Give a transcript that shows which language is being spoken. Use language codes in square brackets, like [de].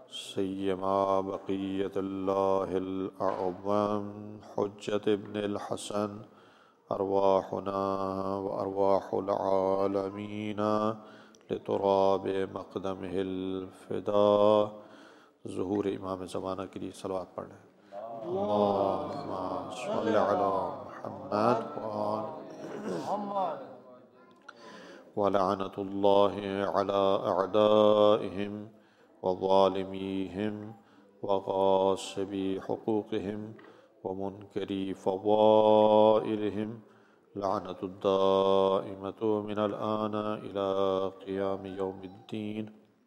[ar] سيما بقية الله الأعظم حجة ابن الحسن أرواحنا وأرواح العالمين لتراب مقدمه الفدا. [ur] ظهور امام زمانہ کے لیے صلوات پڑھ رہے ہیں. [ar] اللهم صل على محمد وآل محمد ولعنت الله على اعدائهم وظالميهم وغاصبي حقوقهم ومنكري فضائلهم لعنة الدائمة من الآن إلى قيام يوم الدين.